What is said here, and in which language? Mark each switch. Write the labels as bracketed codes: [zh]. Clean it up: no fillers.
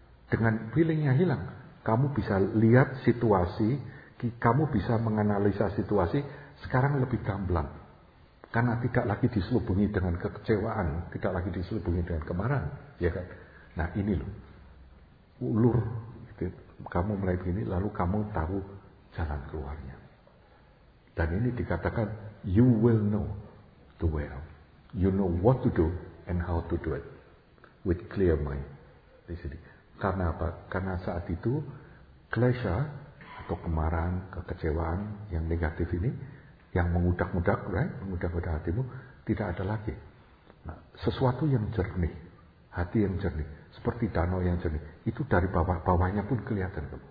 [id] Dengan feelingnya hilang, kamu bisa lihat situasi, kamu bisa menganalisa situasi sekarang lebih gamblang. Karena tidak lagi diselubungi dengan kekecewaan, tidak lagi diselubungi dengan kemarahan, ya kan? Nah ini loh, ulur. Gitu. Kamu mulai begini, lalu kamu tahu jalan keluarnya. Dan ini dikatakan, [en] you will know the way out. You know what to do and how to do it with clear mind. [id] Jadi, karena apa? Karena saat itu, klesha atau kemarahan, kekecewaan yang negatif ini, yang mengudak-udak, [en] right? [id] Mengudak-udak hatimu, tidak ada lagi. Nah, sesuatu yang jernih, hati yang jernih, seperti danau yang jernih, itu dari bawah-bawahnya pun kelihatan.